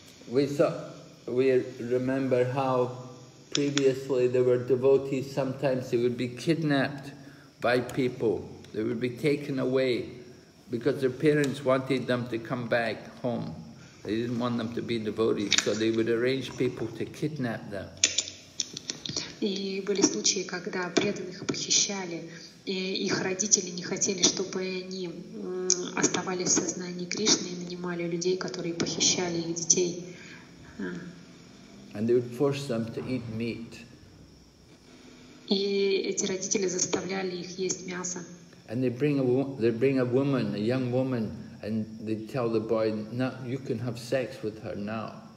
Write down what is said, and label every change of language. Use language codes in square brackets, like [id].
[en] We remember how previously there were devotees, sometimes they would be kidnapped by people. They would be taken away because their parents wanted them to come back home. They didn't want them to be devotees, so they would arrange people to kidnap them. [ru] И были случаи, когда преданных похищали, и их родители не хотели, чтобы они оставались в сознании Кришны, и нанимали людей, которые похищали их детей. [en] And they would force them to eat meat. [ru] И эти родители заставляли их есть мясо. [en] And they bring a woman, a young woman, and they tell the boy, "No, you can have sex with her now."